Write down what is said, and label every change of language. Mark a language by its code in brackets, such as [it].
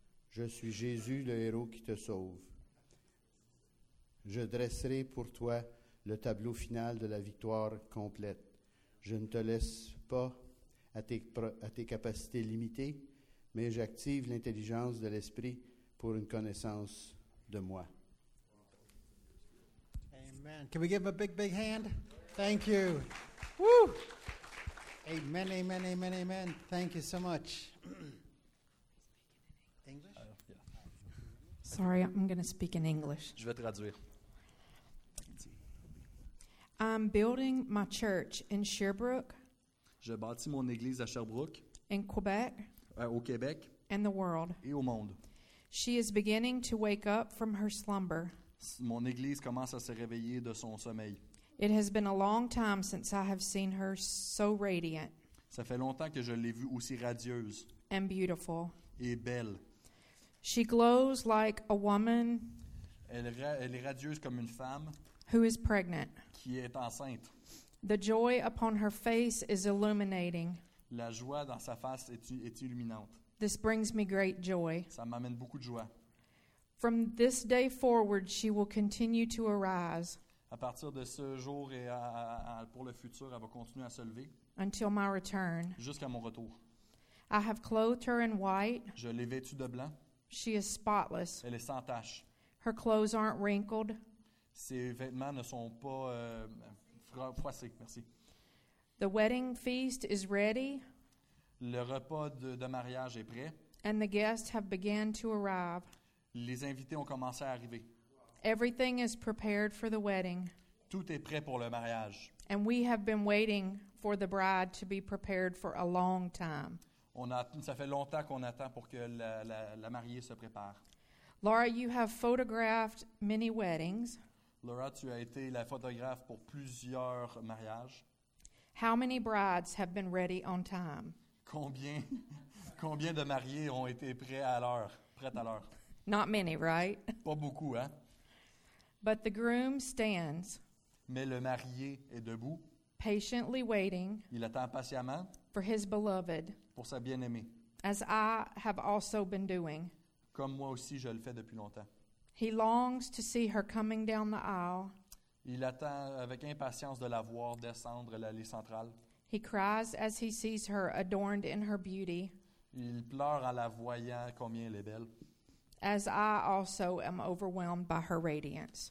[fr] Je suis Jésus, le héros qui te sauve. Je dresserai pour toi le tableau final de la victoire complète. Je ne te laisse pas à tes capacités limitées, mais j'active l'intelligence de l'esprit pour une connaissance de moi. Amen. [en] Can we give him a big, big hand? Thank you. Woo! Amen, amen, amen, amen. Thank you so much. English? Sorry, I'm going to speak in English. [fr] Je vais traduire. [en] I'm building my church in Sherbrooke. [fr] Je bâtis mon église à Sherbrooke. [en] In Quebec. [fr] Au Québec. [en] And the world. [fr] Et au monde. [en] She is beginning to wake up from her slumber. [fr] Mon église commence à se réveiller de son sommeil. [en] It has been a long time since I have seen her so radiant. [fr] Ça fait longtemps que je l'ai vue aussi radieuse. [en] And beautiful. [fr] Et belle. [en] She glows like a woman. [fr] Elle est radieuse comme une femme. [en] Who is pregnant. [fr] Qui est enceinte. [en] The joy upon her face is illuminating. [fr] La joie dans sa face est illuminante. [en] This brings me great joy. [fr] Ça m'amène beaucoup de joie. [en] From this day forward, she will continue to arise. [fr] À partir de ce jour et pour le futur, elle va continuer à se lever. [en] Until my return. [fr] Jusqu'à mon retour. [en] I have clothed her in white. [fr] Je l'ai vêtue de blanc. [en] She is spotless. [fr] Elle est sans tache. [en] Her clothes aren't wrinkled. [fr] Ses vêtements ne sont pas froissés. Merci. [en] The wedding feast is ready. [fr] Le repas de mariage est prêt. [en] And the guests have begun to arrive. [fr] Les invités ont commencé à arriver. [en] Everything is prepared for the wedding. [fr] Tout est prêt pour le mariage. [en] And we have been waiting for the bride to be prepared for a long time. [fr] Ça fait longtemps qu'on attend pour que la mariée se prépare. [en] Laura, you have photographed many weddings. [fr] Laura, tu as été la photographe pour plusieurs mariages. [en] How many brides have been ready on time? [fr] Combien de mariés ont été prêtes à l'heure? [en] Not many, right? [fr] Pas beaucoup, hein? [en] But the groom stands. [fr] Mais le marié est debout. [en] Patiently waiting. [fr] Il attend patiemment. [en] For his beloved. [fr] Pour sa bien-aimée. [en] As I have also been doing. [fr] Comme moi aussi, je le fais depuis longtemps. [en] He longs to see her coming down the aisle. [fr] Il attend avec impatience de la voir descendre l'allée centrale. [en] He cries as he sees her adorned in her beauty. [fr] Il pleure en la voyant combien elle est belle. [en] As I also am overwhelmed by her radiance.